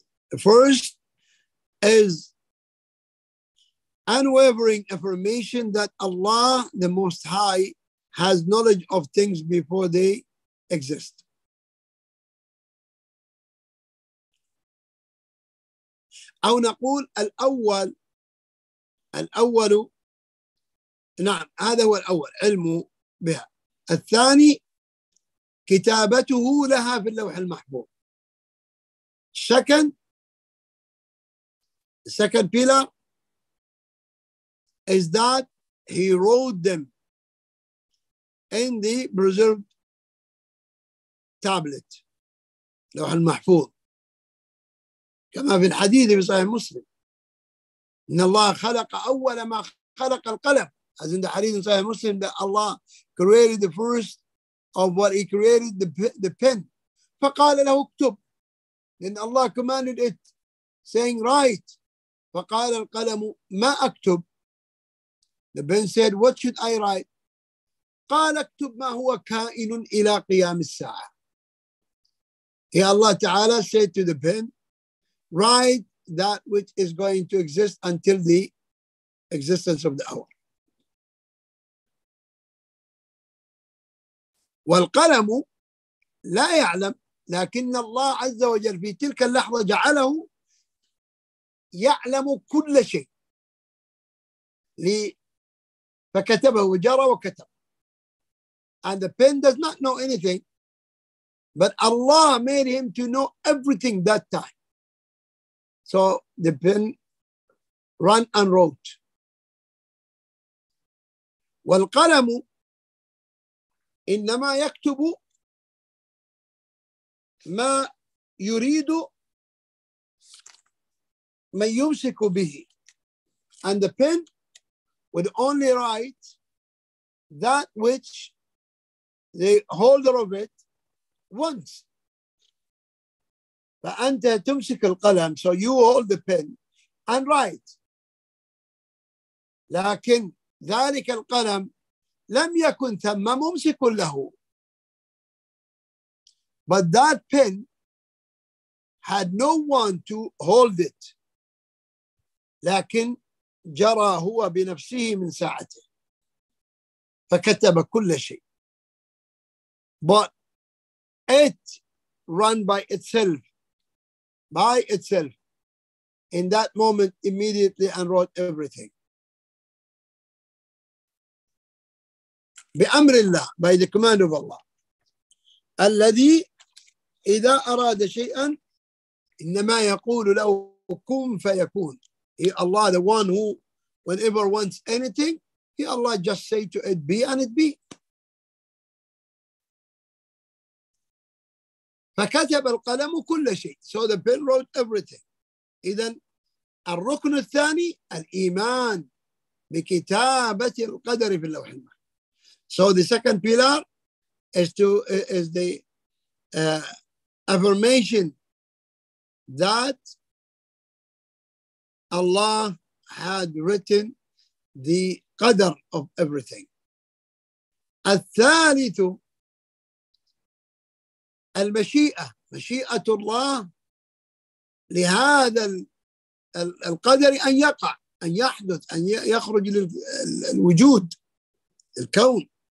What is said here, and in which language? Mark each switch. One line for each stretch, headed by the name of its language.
English: The first is unwavering affirmation that Allah, the Most High, has knowledge of things before they exist.
Arabic: أو نقول الأول، الأول نعم هذا هو الأول علمه بها. الثاني كتابته لها في اللوح المحفوظ.
English: Second pillar is that he wrote them in the preserved tablet, لوح المحفوظ.
Arabic: كما في الحديث في صحيح مسلم إن الله خلق أول ما خلق القلم.
English: As in the hadith in Sahih Muslim that Allah created the first of what he created, the pen.
Arabic: فقال له اكتب.
English: Then Allah commanded it, saying, write.
Arabic: فقال القلم ما اكتب.
English: The pen said, what should I write?
Arabic: قال اكتب ما هو كائن إلى قيام الساعة.
English: Allah Ta'ala said to the pen, write that which is going to exist until the existence of the hour.
Arabic: والقلم لا يعلم، لكن الله عز وجل في تلك اللحظة جعله يعلم كل شيء فكتبه وجرى وكتب.
English: And the pen does not know anything, but Allah made him to know everything that time. So the pen ran and wrote.
Arabic: والقلم إنما يكتب ما يريد من يمسك به.
English: And the pen would only write that which the holder of it wants.
Arabic: فأنت تمسك القلم,
English: so you hold the pen and write.
Arabic: لكن ذلك القلم لم يكن ثم ممسك له.
English: But that pen had no one to hold it.
Arabic: لكن جرى هو بنفسه من ساعته. فكتب كل شيء.
English: But it ran by itself. In that moment, immediately and wrote everything.
Arabic: بأمر الله,
English: by the command of Allah,
Arabic: الذي إذا أراد شيئا إنما يقول له كن فيكون.
English: He Allah, the one who whenever wants anything, he Allah just say to it be and it be.
Arabic: فكتب القلم كل شيء.
English: So the pen wrote everything.
Arabic: إذن الركن الثاني الإيمان بكتابة القدر في اللوح المحفوظ.
English: So the second pillar is the affirmation that Allah had written the qadr of everything.
Arabic: الثالث المشيئة, مشيئة الله لهذا القدر أن يقع, أن يحدث, أن يخرج للوجود الكون.